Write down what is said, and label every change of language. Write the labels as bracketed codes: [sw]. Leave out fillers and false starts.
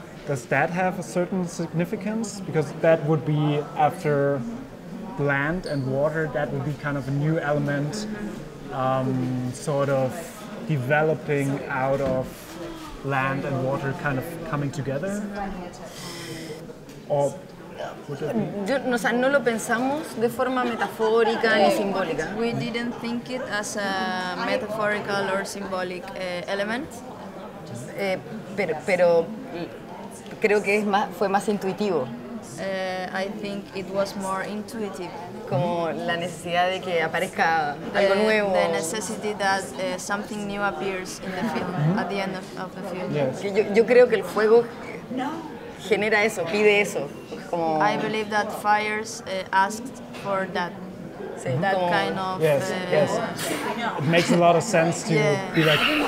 [en] Does that have a certain significance? Because that would be after land and water, that would be kind of a new element, sort of developing out of land and water kind of coming together? Or [es] O sea, no lo pensamos de forma metafórica ni simbólica. [en] We didn't think it as a metaphorical or symbolic element. [es] Pero creo que fue más intuitivo. [en] I think it was more intuitive. [es] Como la necesidad de que aparezca algo nuevo. [en] The necessity that something new appears in the film, at the end of the film. Yes. [es] Yo creo que el fuego genera eso, pide eso. [en] I believe that fires asked for that kind of. Yes, yes. It makes a lot of sense to be like